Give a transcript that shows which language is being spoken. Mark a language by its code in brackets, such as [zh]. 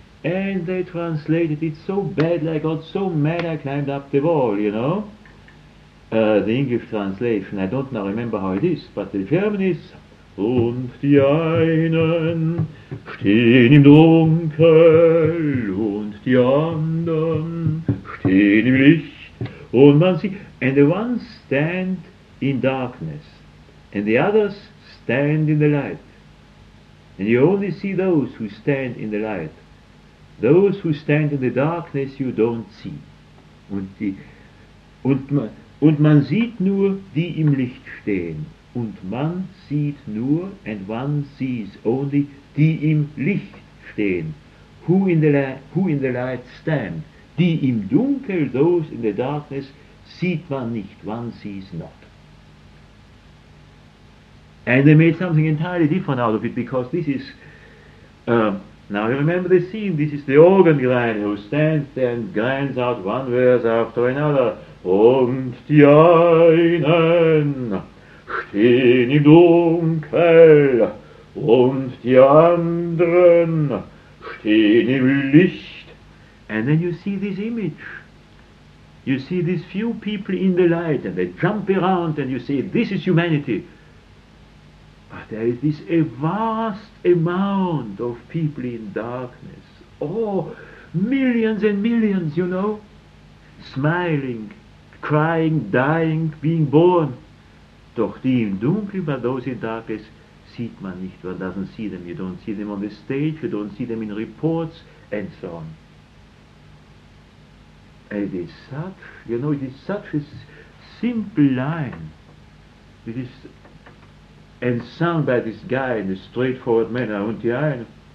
[en] And they translated it so bad, I got so mad I climbed up the wall, you know? The English translation, I don't now remember how it is, but the German is [de] Und die einen stehen im Dunkel und die anderen stehen im Licht und man sieht. [en] And the ones stand in darkness and the others stand in the light. And you only see those who stand in the light. Those who stand in the darkness you don't see. [de] Und man sieht nur die im Licht stehen. Und man sieht nur, [en] and one sees only, [de] die im Licht stehen. [en] Who in the light stand. [de] Die im Dunkel, [en] those in the darkness, [de] sieht man nicht. [en] One sees not. And they made something entirely different out of it, because this is, now you remember the scene, this is the organ grinder who stands there and grinds out one verse after another. [de] Und die einen stehen im Dunkel und die anderen stehen im Licht. [en] And then you see this image. You see these few people in the light and they jump around and you say, this is humanity. But there is this a vast amount of people in darkness. Oh, millions and millions, you know, smiling, crying, dying, being born. [de] Doch die im Dunkel, [en] but those in darkness, [de] sieht man nicht. [en] One doesn't see them. You don't see them on the stage. You don't see them in reports, and so on. And it is such, you know, it is such a simple line. It is, and sung by this guy in a straightforward manner, [de] Und die einen.